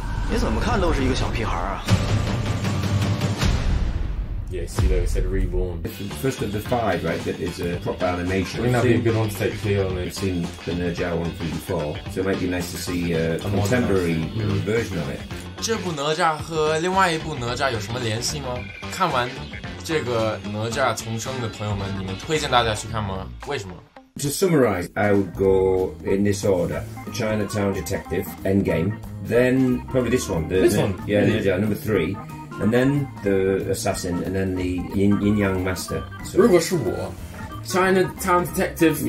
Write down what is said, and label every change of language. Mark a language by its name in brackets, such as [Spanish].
[Chinese] 你怎么看都是一个小屁孩啊。 [English] Yes, you know, it said reborn. First of the five, right, that is a proper animation. I mean, that'd be a good one to take care of. We've seen the Nerja one from before, so it might be nice to see a contemporary version of it. [Chinese] 这部哪吒和另外一部哪吒有什么联系吗？看完这个哪吒重生的朋友们，你们推荐大家去看吗？为什么？ [English] To summarize, I would go in this order. Chinatown Detective, Endgame. Then, probably this one. This one? Yeah, Nerja, really? Number three. And then the assassin, and then the yin yang master. [Chinese] So, 如果是我 [English] Chinatown Detective,